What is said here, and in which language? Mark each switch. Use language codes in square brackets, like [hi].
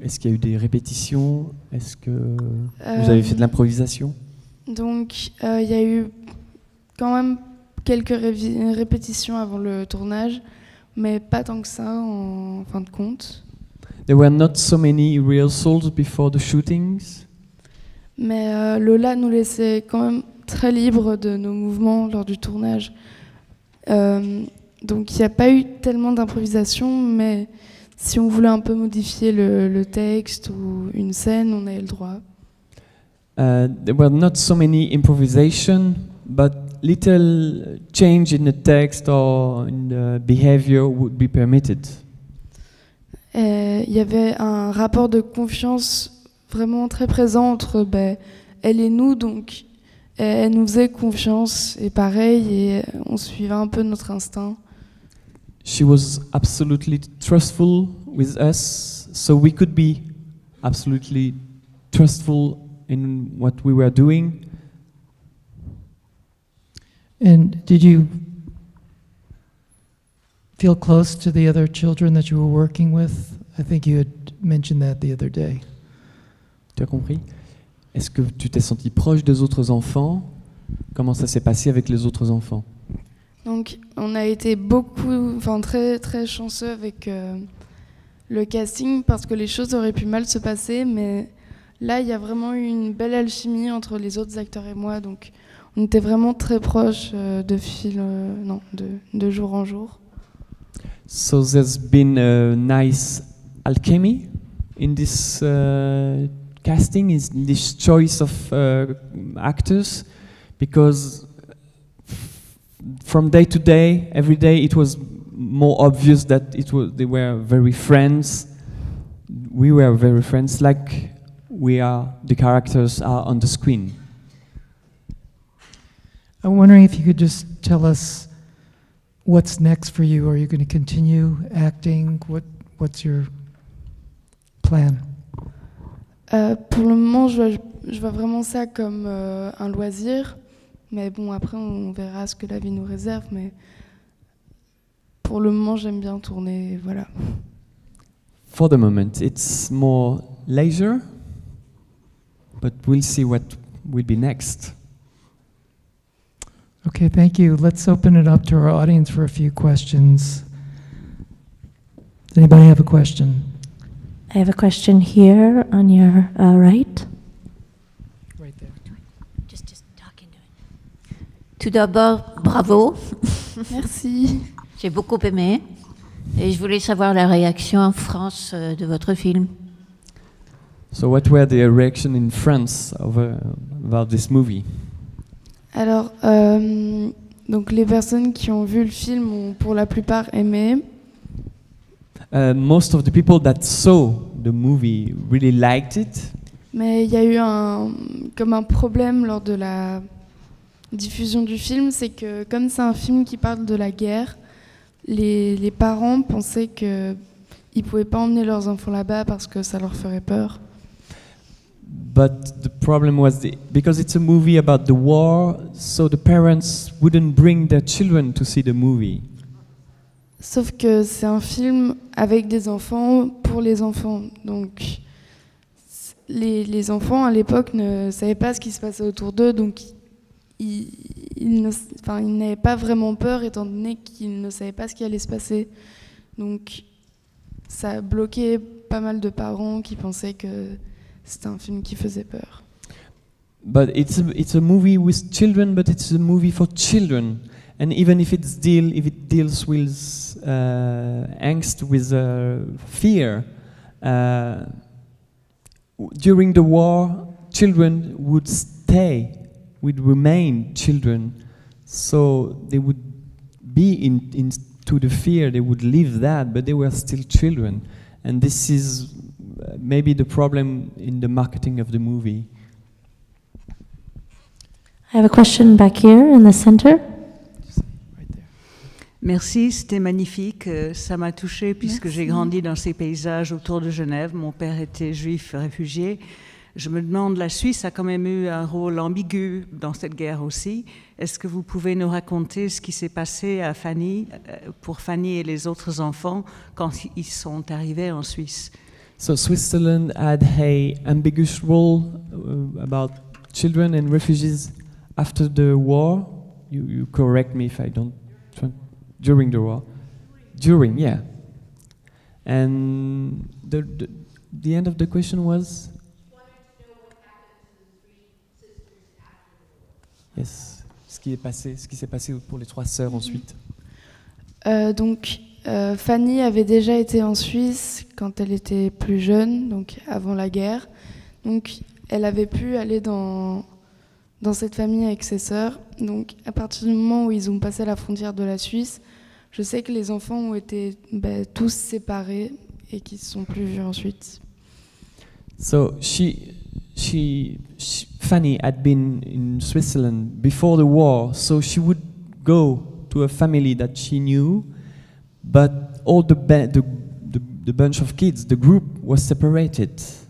[fr] Est-ce qu'il y a eu des répétitions? Est-ce que vous avez fait de l'improvisation? Donc, il y a eu quand même quelques répétitions avant le tournage, mais pas tant que ça, en fin de compte. [en] There were not so many rehearsals before the shootings. [fr] Mais Lola nous laissait quand même très libres de nos mouvements lors du tournage. Donc, il n'y a pas eu tellement d'improvisation, mais si on voulait un peu modifier le texte ou une scène, on avait le droit. There were not so many improvisation, but little change in the text or in the behavior would be permitted. Il y avait un rapport de confiance vraiment très présent entre elle et nous, donc elle nous faisait confiance et pareil, et on suivait un peu notre instinct. [en] She was absolutely trustful with us, so we could be absolutely trustful in what we were doing. And did you feel close to the other children that you were working with? I think you had mentioned that the other day. [fr] Tu as compris? Est-ce que tu t'es senti proche des autres enfants? Comment ça s'est passé avec les autres enfants? Donc, on a été beaucoup, très très chanceux avec le casting, parce que les choses auraient pu mal se passer, mais là, il y a vraiment eu une belle alchimie entre les autres acteurs et moi, donc on était vraiment très proches de jour en jour. [en] So there's been a nice alchemy in this casting, in this choice of actors, because from day to day, every day, it was more obvious that they were very friends. We were very friends, like we are, the characters are on the screen. I'm wondering if you could just tell us what's next for you. Are you going to continue acting? What's your plan? [fr] Pour le moment, je vois vraiment ça comme un loisir. Mais bon, après, on verra ce que la vie nous réserve, mais pour le moment, j'aime bien tourner, et voilà. [en] For the moment, it's more leisure, but we'll see what will be next. Okay, thank you. Let's open it up to our audience for a few questions. Does anybody have a question? I have a question here on your right. Right there. Just talk into it. [fr] Tout d'abord, bravo. Merci. J'ai beaucoup aimé. Et je voulais savoir la réaction en France de votre film. [en] So what were the reactions in France about this movie? [fr] Alors, donc les personnes qui ont vu le film ont pour la plupart aimé. [en] Most of the people that saw the movie really liked it. [fr] Mais il y a eu un problème lors de la diffusion du film, c'est que comme c'est un film qui parle de la guerre, les parents pensaient qu'ils ne pouvaient pas emmener leurs enfants là-bas parce que ça leur ferait peur. [en] But the problem was because it's a movie about the war, so the parents wouldn't bring their children to see the movie. [fr] Sauf que c'est un film avec des enfants pour les enfants, donc les enfants à l'époque ne savaient pas ce qui se passait autour d'eux, donc ils n'avaient pas vraiment peur étant donné qu'ils ne savaient pas ce qui allait se passer, donc ça a bloqué pas mal de parents qui pensaient que c'était un film qui faisait peur. [en] But it's a movie with children, but it's a movie for children. And even if it deals with angst, with fear, during the war, children would stay, would remain children. So they would be into the fear. They would leave that, but they were still children. And this is maybe the problem in the marketing of the movie. I have a question back here in the center. [fr] Merci, c'était magnifique. Ça m'a touchée puisque j'ai grandi dans ces paysages autour de Genève. Mon père était juif réfugié. Je me demande, la Suisse a quand même eu un rôle ambigu dans cette guerre aussi. Est-ce que vous pouvez nous raconter ce qui s'est passé à Fanny, pour Fanny et les autres enfants quand ils sont arrivés en Suisse? [en] So Switzerland had a ambiguous role about children and refugees after the war. You correct me if I don't. During the war, and the end of the question was. [fr] Yes, ce qui s'est passé pour les trois sœurs ensuite. Donc Fanny avait déjà été en Suisse quand elle était plus jeune, donc avant la guerre. Donc elle avait pu aller dans cette famille avec ses sœurs. Donc à partir du moment où ils ont passé la frontière de la Suisse. Je sais que les enfants ont été tous séparés et qu'ils ne se sont plus vus ensuite. [en] So she Fanny had been in Switzerland before the war, so she would go to a family that she knew, but all the bunch of kids, the group was separated.